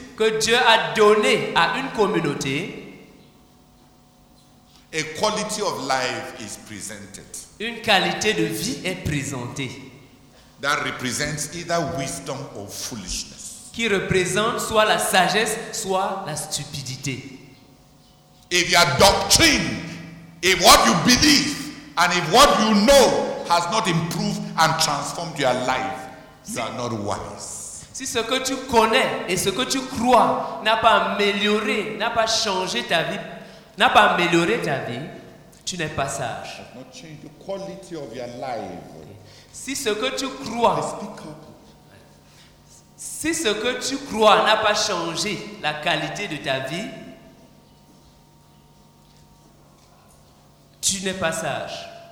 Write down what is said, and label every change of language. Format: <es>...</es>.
<fr>que Dieu a donné à une communauté,</fr> <en>a quality of life is presented.</en> <fr>Une qualité de vie est présentée.</fr> <en>That represents either wisdom or foolishness.</en> <fr>Qui représente soit la sagesse, soit la stupidité.</fr> <en>If your doctrine, if what you believe, and if what you know has not improved and transformed your life, you are not wise.</en> <fr>Si ce que tu connais et ce que tu crois n'a pas amélioré, n'a pas changé ta vie, n'a pas amélioré ta vie, tu n'es pas sage.</fr> <en>Has not changed the quality of your life.</en> <fr>Si ce que tu crois,</fr> <en>speak up.</en> <fr>Si ce que tu crois n'a pas changé la qualité de ta vie, tu n'es pas sage.</fr>